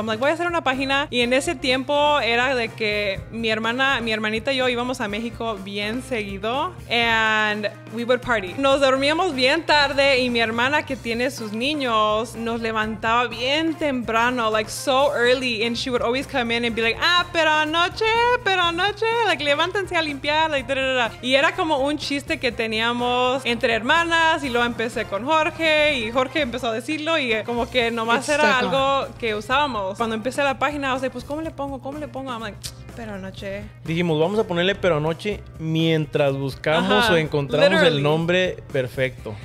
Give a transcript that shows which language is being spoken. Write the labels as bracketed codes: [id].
[en] So I'm like, [es] voy a hacer una página. Y en ese tiempo era de que mi hermanita y yo íbamos a México bien seguido. [en] And we would party. [es] Nos dormíamos bien tarde y mi hermana, que tiene sus niños, nos levantaba bien temprano, [en] like so early. And she would always come in and be like, ah, [es] pero anoche, [en] like, [es] levántense a limpiar. [en] Like, da, da, da. [es] Y era como un chiste que teníamos entre hermanas y luego empecé con Jorge y Jorge empezó a decirlo y como que nomás era algo que usábamos. Cuando empecé la página, o sea, pues ¿cómo le pongo? [en] I'm like, Pero Anoche. [es] Dijimos, vamos a ponerle Pero Anoche mientras buscamos o encontramos el nombre perfecto.